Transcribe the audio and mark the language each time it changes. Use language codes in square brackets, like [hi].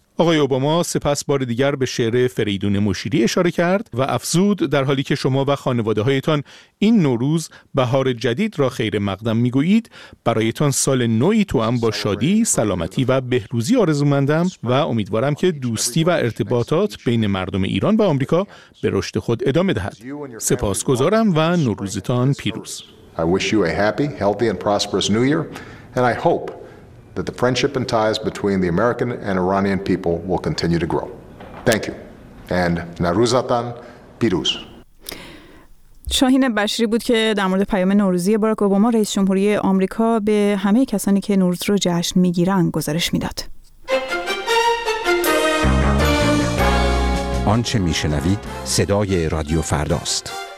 [fa] آقای اوباما سپس بار دیگر به شعر فریدون مشیری اشاره کرد و افزود: در حالی که شما و خانواده‌هایتان این نوروز بهار جدید را خیر مقدم می‌گویید، برایتان سال نوئی توام با شادی، سلامتی و بهروزی آرزومندم و امیدوارم که دوستی و ارتباطات بین مردم ایران و آمریکا به رشد خود ادامه دهد. سپاسگزارم و نوروزتان پیروز. [en] I wish you a happy, healthy and prosperous new year and I hope that the friendship and ties between the American and Iranian people will continue to grow. Thank you. And [fa] Naruzatan Piruz. شاهین بشری بود که در مورد پیام نوروزی باراک اوباما رئیس جمهوری آمریکا به همه کسانی که نوروز رو جشن میگیرن گزارش میداد. آنچه میشنوید صدای رادیو فرداست.